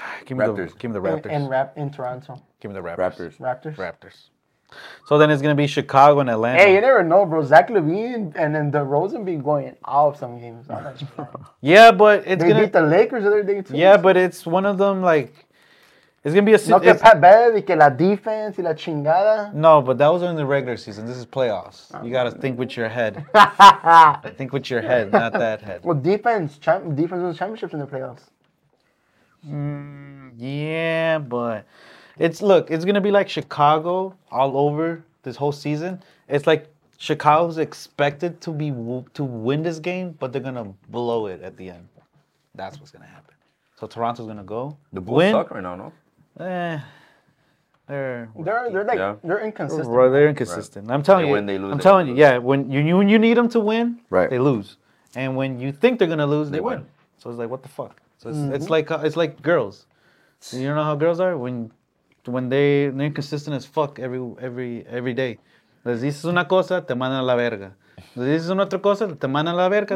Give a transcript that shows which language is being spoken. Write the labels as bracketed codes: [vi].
[en] Give me the Raptors. In Toronto. Give me the Raptors. Raptors. So then it's going to be Chicago and Atlanta. Hey, you never know, bro. Zach LaVine and then DeRozan be going out of some games. Yeah, but it's going to... They beat the Lakers the other day, too. Yeah, but it's one of them, like... It's going to be a... [es] No, que está bad y que la defense y la chingada. [en] No, but that was in the regular season. This is playoffs. You got to think with your head. Think with your head, not that head. Well, defense wins championships in the playoffs. Yeah, but... It's going to be like Chicago all over this whole season. It's like Chicago's expected to win this game, but they're going to blow it at the end. That's what's going to happen. So Toronto's going to go. The Bulls win. Suck right now, no? They're inconsistent. They're inconsistent. Right. I'm telling you, yeah. When you need them to win, right. They lose. And when you think they're gonna lose, they win. So it's like, what the fuck? So it's like girls. You know how girls are when they're inconsistent as fuck every day. [es] Les dices una cosa, te mandan a la verga. Les dices una otra cosa, te mandan a la verga.